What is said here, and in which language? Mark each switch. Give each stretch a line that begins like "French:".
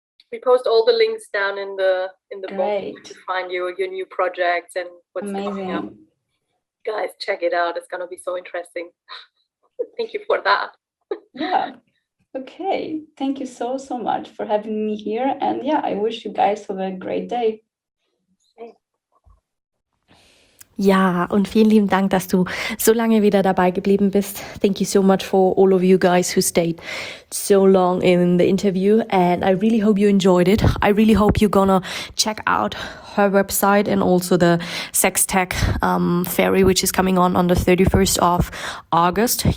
English: We post all the links down in the box to find your new projects and what's amazing. Coming up. Guys, check it out. It's gonna be so interesting. Thank you for that. Yeah. Okay. Thank you so much for having me here. And yeah, I wish you guys have a great day.
German: Ja, und vielen lieben Dank, dass du so lange wieder dabei geblieben bist.
English: Thank you so much for all of you guys who stayed so long in the interview. And I really hope you enjoyed it. I really hope you're gonna check out her website and also the Sex Tech Fairy, which is coming on the 31st of August.